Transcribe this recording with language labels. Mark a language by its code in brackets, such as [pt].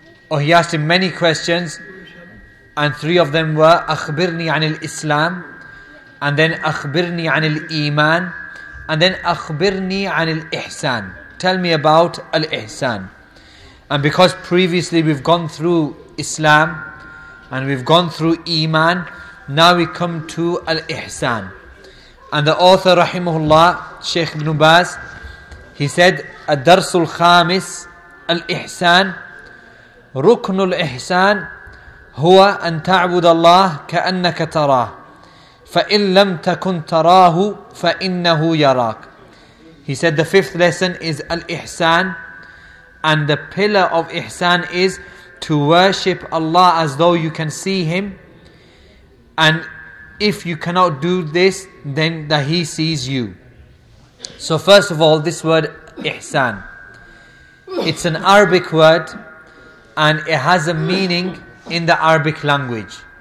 [en] Or he asked him many questions, and three of them were [ar] أخبرني عن الإسلام, [en] and then [ar] أخبرني عن الإيمان, [en] and then [ar] أخبرني عن الإحسان. [en] Tell me about الإحسان. And because previously we've gone through Islam and we've gone through Iman, now we come to الإحسان. And the author [ar] رحمه الله, Shaykh ibn Baz, [en] he said [ar] الدرس الخامس الإحسان ركن الإحسان هو أن تعبد الله كأنك تراه فإن لم تكن تراه فإنه يراك. [en] He said the fifth lesson is al-ihsan, and the pillar of ihsan is to worship Allah as though you can see Him, and if you cannot do this, then that He sees you. So first of all, this word ihsan, it's an Arabic word, and it has a meaning in the Arabic language.